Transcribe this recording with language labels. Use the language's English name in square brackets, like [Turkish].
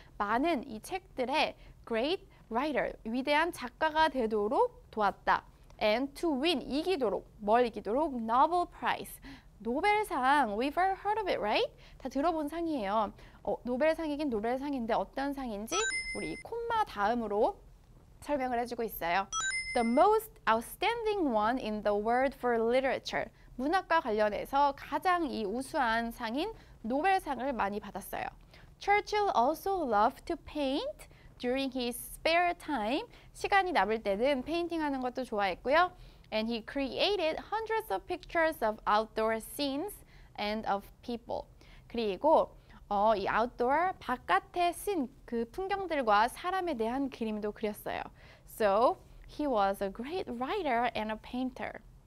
[Korean] 많은 이 책들의 great writer, 위대한 작가가 되도록 도왔다. [English] And to win, [Korean] 이기도록, 뭘 이기도록? [English] Nobel Prize, 노벨상, we've all heard of it, right? [Korean] 다 들어본 상이에요. 노벨상이긴 노벨상인데 어떤 상인지 우리 콤마 다음으로 설명을 해주고 있어요. [English] The most outstanding one in the world for literature. [Korean] 문학과 관련해서 가장 이 우수한 상인 노벨상을 많이 받았어요. [English] Churchill also loved to paint during his spare time. [Korean] 시간이 남을 때는 페인팅하는 것도 좋아했고요. [English] And he created hundreds of pictures of outdoor scenes and of people. [Korean] 그리고 이 outdoor, 바깥의 씬, 그 풍경들과 사람에 대한 그림도 그렸어요. [English] So, he was a great writer and a painter.